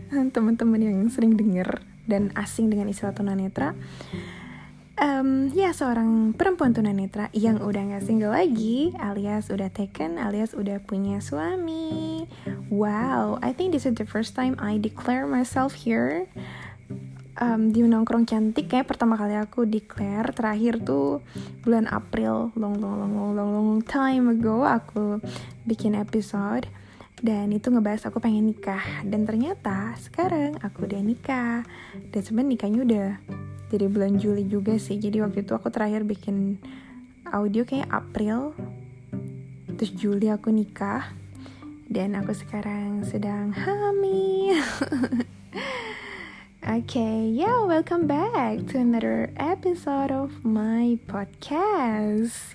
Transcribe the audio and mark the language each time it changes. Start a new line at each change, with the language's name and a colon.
Indonesian: Teman-teman yang sering denger dan asing dengan istilah tunanetra, ya seorang perempuan tunanetra yang udah gak single lagi, alias udah taken, alias udah punya suami.
English: Wow, I think this is the first time I declare myself here.
Indonesian: Di Nongkrong Cantik kayak pertama kali aku declare, terakhir tuh bulan April,
English: long time ago
Indonesian: aku bikin episode dan itu ngebahas aku pengen nikah, dan ternyata sekarang aku udah nikah. Dan sebenarnya nikahnya udah dari bulan Juli juga sih, jadi waktu itu aku terakhir bikin audio kayak April, terus Juli aku nikah, dan aku sekarang sedang hamil.
English: Okay, yeah, welcome back to another episode of my podcast.